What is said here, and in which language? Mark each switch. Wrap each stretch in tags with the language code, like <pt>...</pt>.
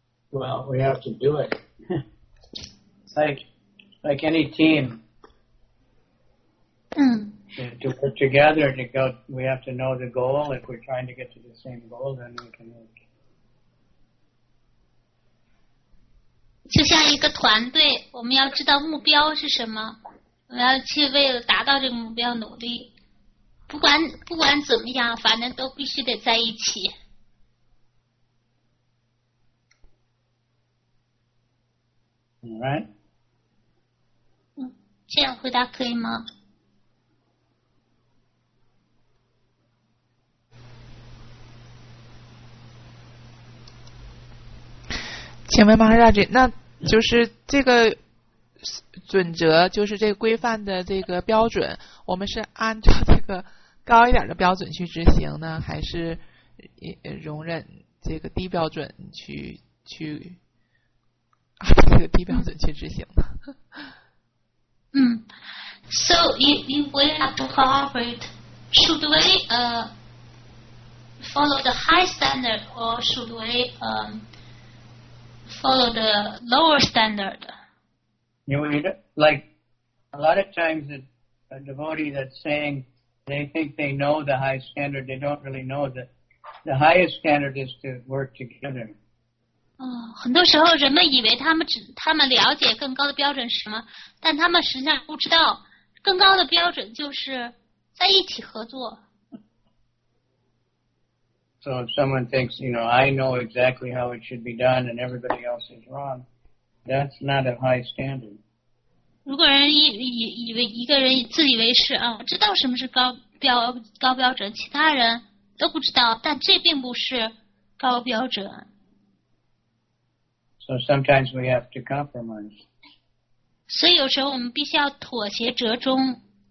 <en>Well, we have to do it. It's like any team. To work together, we have to know the goal. If we're trying to get to the same goal, then we can work.</en> <zh>就像一个团队，我们要知道目标是什么，我们要去为了达到这个目标努力。不管怎么样，反正都必须得在一起。</zh> <en>All right.</en> <zh>这样回答可以吗？请问马哈拉吉，那就是这个准则，就是这个规范的这个标准，我们是按照这个高一点的标准去执行呢，还是容忍这个低标准去按照这个低标准去执行呢？</zh> <en>So if we have to cooperate, should we follow the high standard or should we follow the lower standard? You mean, like, a lot of times a devotee that's saying they think they know the high standard, they don't really know that the highest standard is to work together.</en> <zh>很多时候人们以为他们了解更高的标准是什么，但他们实际上不知道更高的标准就是在一起合作。</zh> <en>So if someone thinks, you know, I know exactly how it should be done and everybody else is wrong, that's not a high standard.</en> <zh>如果人以为一个人自以为是啊，知道什么是高标准，其他人都不知道，但这并不是高标准。</zh> <en>So sometimes we have to compromise.</en> <zh>所以有时候我们必须要妥协折中。</zh>